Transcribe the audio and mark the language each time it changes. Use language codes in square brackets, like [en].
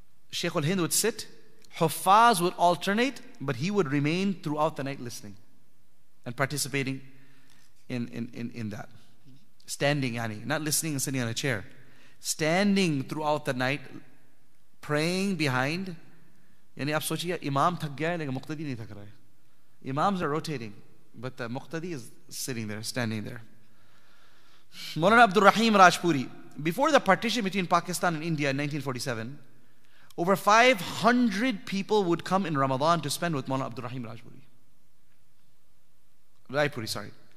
[en] Shaykh al-Hind would sit, Huffaz would alternate, but he would remain throughout the night listening and participating in that. Standing, yani, not listening and sitting on a chair. Standing throughout the night, praying behind. [ur] یعنی آپ سوچیے، امام تھک گیا لیکن مقتدی نہیں تھک رہا ہے۔ [en] Imams are rotating, but the muqtadi is sitting there, standing there. Maulana Abdul Rahim Rajpuri, before the partition between Pakistan and India in 1947, over 500 people would come in Ramadan to spend with Maulana Abdul Rahim Rajpuri.